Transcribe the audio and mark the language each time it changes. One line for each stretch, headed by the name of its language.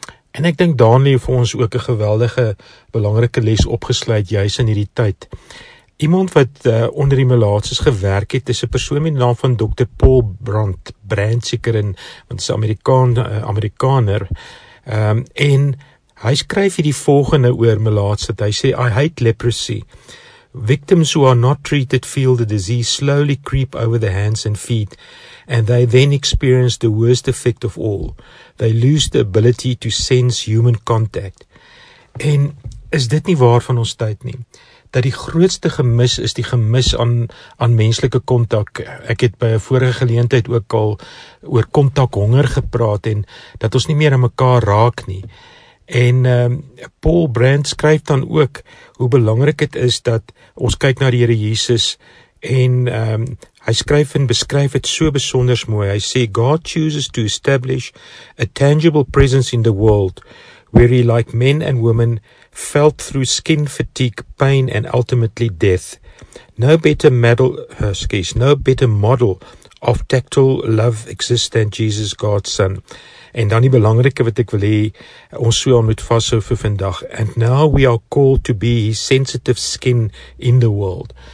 Afrikaans: En ek dink Daniël het vir ons ook 'n geweldige belangrike les opgesluit juis in hierdie tyd. Iemand wat onder die melaatses gewerk het, is 'n persoon met die naam van Dr. Paul Brandseker, want hy is Amerikaner. En hy skryf hierdie volgende oor melaatse. Hy sê,
English: I hate leprosy. Victims who are not treated feel the disease slowly creep over the hands and feet, and they then experience the worst effect of all. They lose the ability to sense human contact.
Afrikaans: En is dit nie waar van ons tyd nie? Dat die grootste gemis is die gemis aan menslike kontak. Ek het by 'n vorige geleentheid ook al oor kontakhonger gepraat en dat ons nie meer aan mekaar raak nie. En Paul Brand skryf dan ook hoe belangrik het is dat ons kyk na die Here Jesus en hy skryf en beskryf het so besonders mooi. Hy sê,
English: God chooses to establish a tangible presence in the world where he, like men and women, felt through skin fatigue, pain and ultimately death. No better model of tactile love exists than Jesus, God's Son.
Afrikaans: En dan die belangrike wat ek wil hê, ons so aan moet vashou vir vandag.
English: And now we are called to be his sensitive skin in the world.